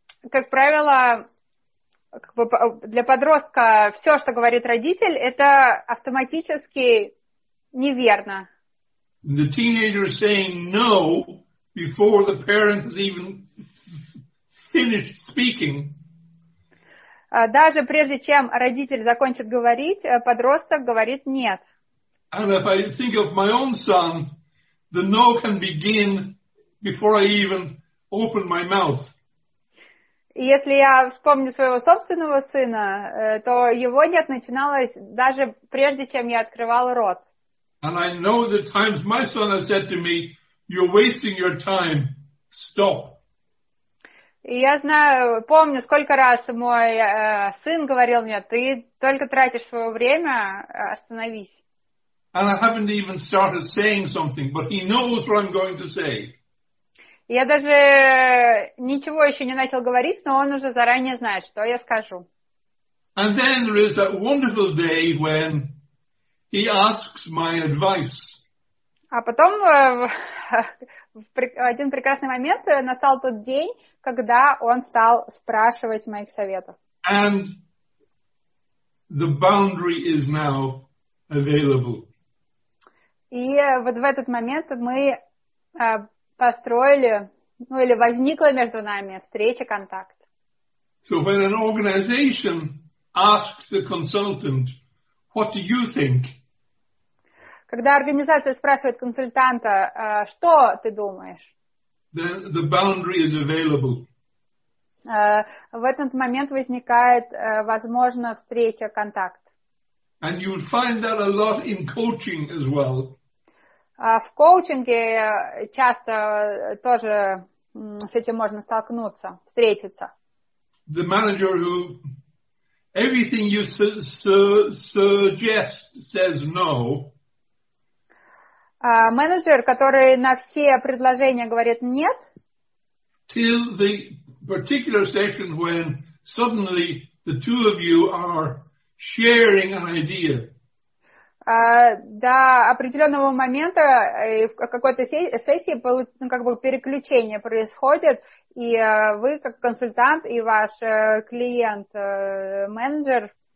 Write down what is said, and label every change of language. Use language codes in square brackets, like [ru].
[ru] Как правило, как бы для подростка все, что говорит родитель, это автоматически неверно. [en] The teenager is saying no before the parent has even finished speaking. [ru] Даже прежде чем родитель закончит говорить, подросток говорит нет. [en] And if I think of my own son, the no can begin before I even open my mouth. [ru] Если я вспомню своего собственного сына, то его нет начиналось даже прежде, чем я открывал рот. [en] And I know the times my son has said to me, "You're wasting your time. Stop." [ru] И я знаю, помню, сколько раз мой сын говорил мне, "Ты только тратишь свое время. Остановись." [en] And I haven't even started saying something, but he knows what I'm going to say. [ru] Я даже ничего еще не начал говорить, но он уже заранее знает, что я скажу. [en] And then there is that wonderful day when he asks my advice. [ru] А потом один прекрасный момент настал тот день, когда он стал спрашивать моих советов. [en] And the boundary is now available. [ru] И вот в этот момент мы построили, ну или возникла между нами встреча, контакт. [en] So when an organization asks the consultant, what do you think? [ru] Когда организация спрашивает консультанта, что ты думаешь? [en] Then the boundary is available. [ru] В этот момент возникает, возможно, встреча, контакт. [en] And you'll find that a lot in coaching as well. [ru] В коучинге часто тоже с этим можно столкнуться, встретиться. [en] The manager who everything you suggest says no. [ru] Менеджер, который на все предложения говорит нет. [en] Till the particular session when suddenly the two of you are sharing an idea. [ru] До определенного момента в какой-то сессии, ну, как бы переключение происходит, и вы как консультант и ваш клиент менеджер